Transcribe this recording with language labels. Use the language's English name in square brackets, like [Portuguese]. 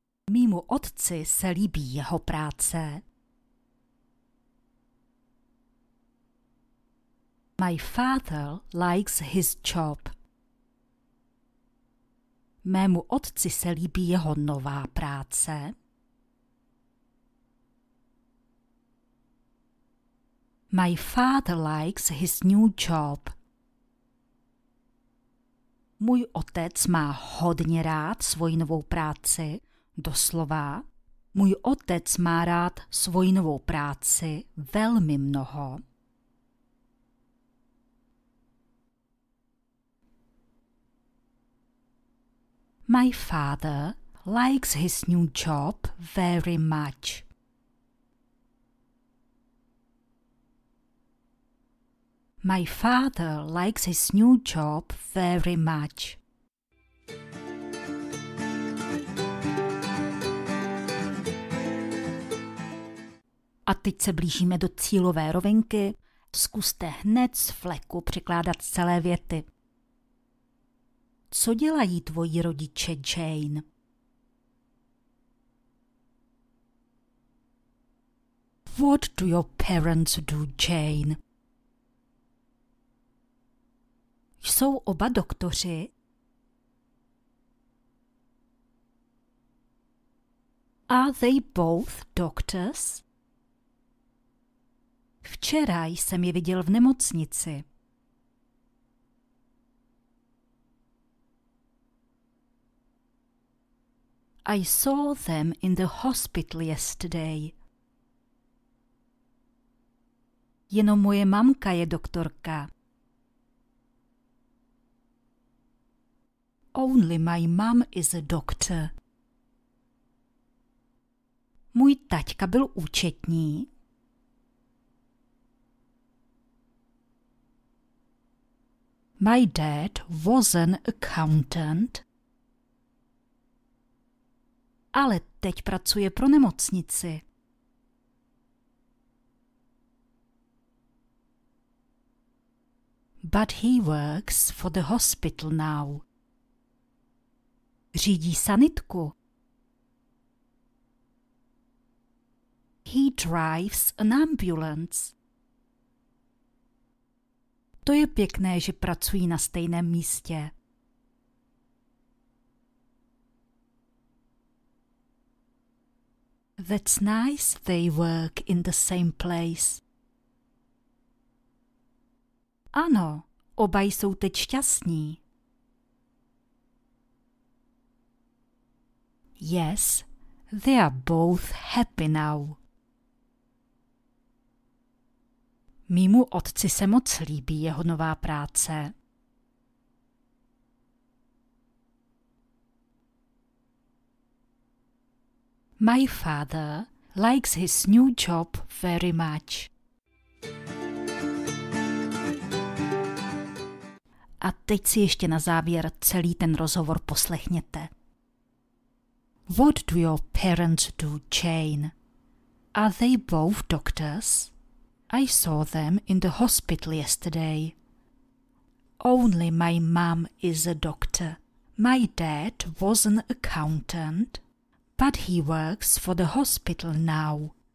[Czech] Mému otci se líbí jeho práce. [English] My father likes his job. [Czech] Mému otci se líbí jeho nová práce. [English] My father likes his new job. [Czech] Můj otec má hodně rád svoji novou práci. Doslova, můj otec má rád svoji novou práci velmi mnoho. [English] My father likes his new job very much. My father likes his new job very much. [Czech] A teď se blížíme do cílové rovinky. Zkuste hned z fleku překládat celé věty. Co dělají tvoji rodiče, Jane? [English] What do your parents do, Jane? [Czech] Jsou oba doktoři? [English] Are they both doctors? [Czech] Včera jsem je viděl v nemocnici. [English] I saw them in the hospital yesterday. [Czech] Jenom moje mamka je doktorka. [English] Only my mom is a doctor. [Czech] Můj taťka byl účetní. [English] My dad was an accountant. [Czech] Ale teď pracuje pro nemocnici. [English] But he works for the hospital now. [Czech] Řídí sanitku. [English] He drives an ambulance. [Czech] To je pěkné, že pracují na stejném místě. [English] That's nice they work in the same place. [Czech] Ano, oba jsou teď šťastní. [English] Yes, they are both happy now. [Czech] Mému otci se moc líbí jeho nová práce. [English] My father likes his new job very much. [Czech] A teď si ještě na závěr celý ten rozhovor poslechněte. [English] What do your parents do, Jane? Are they both doctors? I saw them in the hospital yesterday. Only my mom is a doctor. My dad was an accountant. But he works for the hospital now.